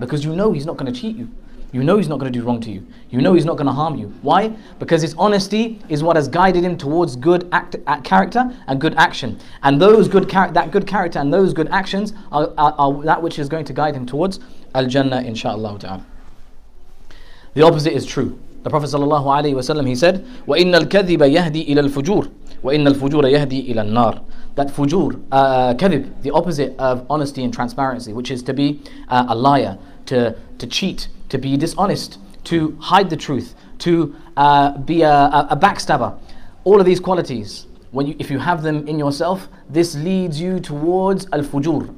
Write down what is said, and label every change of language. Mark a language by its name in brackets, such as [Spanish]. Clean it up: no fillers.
[English] Because you know he's not going to cheat you. You know he's not going to do wrong to you. You know he's not going to harm you. Why? Because his honesty is what has guided him towards good character and good action. And those good character and those good actions are that which is going to guide him towards Al-Jannah, inshaAllah ta'ala. The opposite is true. The Prophet sallallahu alaihi wasallam, he said, [Arabic] وَإِنَّ الْكَذِبَ يَهْدِي إِلَى الْفُجُورِ وَإِنَّ الْفُجُورَ يَهْدِي إِلَى النَّارِ. [English] That fujur, kadhib, the opposite of honesty and transparency, which is to be a liar, to cheat, to be dishonest, to hide the truth, to be a backstabber. All of these qualities, when you, if you have them in yourself, this leads you towards al-fujur.